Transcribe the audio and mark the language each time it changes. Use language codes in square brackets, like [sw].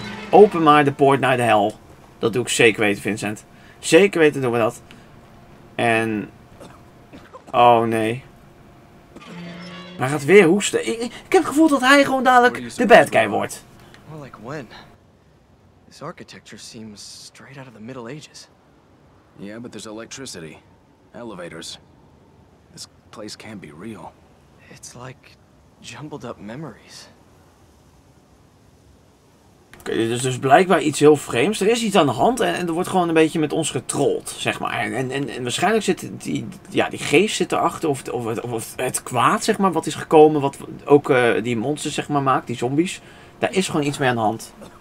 [nl] Open maar de poort naar de hel. Dat doe ik zeker weten, Vincent. Zeker weten doen we dat. En... oh, nee. Hij gaat weer hoesten. Ik heb het gevoel dat hij gewoon dadelijk de bad guy wordt. [en] Well, like when? This architecture seems straight out of the Middle Ages. Yeah, but there's electricity. Elevators. This place can't be real. It's like jumbled up memories. [nl] Okay, dit is dus blijkbaar iets heel vreemds. Er is iets aan de hand en er wordt gewoon een beetje met ons getrold, zeg maar. En waarschijnlijk zit die geest zit erachter. Of het kwaad, zeg maar, wat is gekomen. Wat ook die monsters, zeg maar, maakt. Die zombies. Daar is gewoon iets mee aan de hand.